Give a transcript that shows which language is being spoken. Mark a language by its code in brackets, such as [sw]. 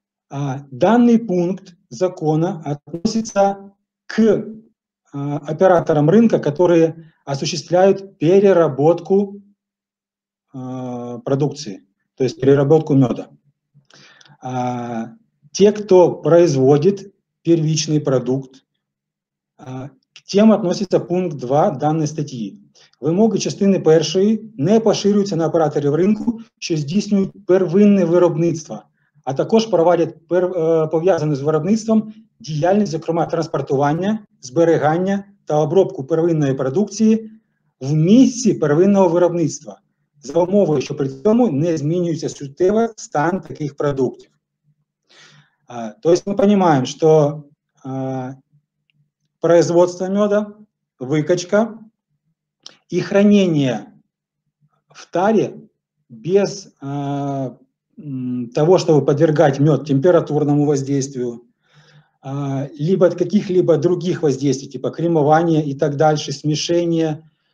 [ru] Данный пункт закона относится к операторам рынка, которые осуществляют переработку продукции, то есть переработку меда. Те, кто производит первичный продукт, к тем относится пункт 2 данной статьи. [uk] Вимоги частини першої не поширюються на операторів ринку, що здійснюють первинне виробництво, а також проводять пов'язану з виробництвом діяльність, зокрема транспортування, зберігання та обробку первинної продукції в місці первинного виробництва, за умови, що при цьому не змінюється суттєво стан таких продуктів. [ru] То есть мы понимаем, что производство меда, выкачка и хранение в таре без того, чтобы подвергать мед температурному воздействию, либо от каких-либо других воздействий, типа кремования и так дальше, смешения,